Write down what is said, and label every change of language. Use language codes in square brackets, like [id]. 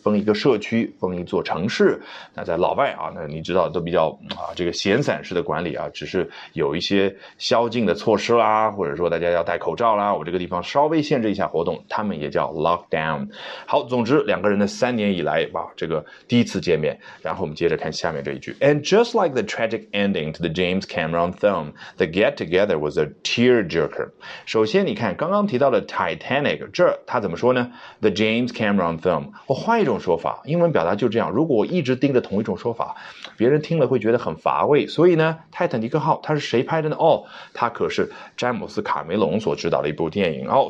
[zh] 封一个社区，封一座城市。那在老外啊，那你知道都比较啊，这个闲散式的管理啊，只是有一些宵禁的措施啦，或者说大家要戴口罩啦，我这个地方稍微限制一下活动，他们也叫 lockdown。好，总之两个人的三年以来，哇，这个第一次见面。然后我们接着看下面这一句 [en] ，And just like the tragic ending to the James Cameron film, the get together was a tearjerker. [zh] 首先，你看刚刚提到的 Titanic， 这他怎么说呢 ？The James Cameron film， 我换一种说法，英文表达就这样。如果我一直盯着同一种说法，别人听了会觉得很乏味。所以呢，泰坦尼克号它是谁拍的呢？哦，它可是詹姆斯卡梅隆所执导的一部电影哦。